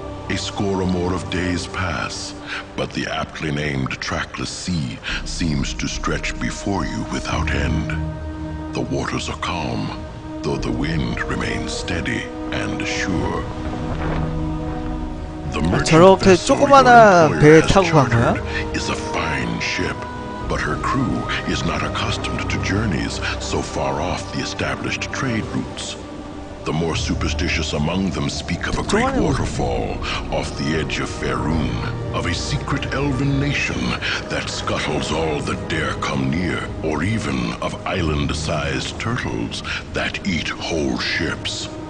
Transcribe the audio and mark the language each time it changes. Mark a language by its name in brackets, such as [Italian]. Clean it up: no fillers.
[English] A score or more of days pass, but the aptly named Trackless Sea seems to stretch before you without end. The waters are calm, though the wind remains steady and sure. [Korean] 아, 저렇게 조그마한 배에 타고 간 거야? [English] Is a fine ship, but her crew is not accustomed to journeys so far off the established trade routes. The more superstitious among them speak of a great waterfall off the edge of Faerun, of a secret elven nation that scuttles all that dare come near, or even of island-sized turtles that eat whole ships.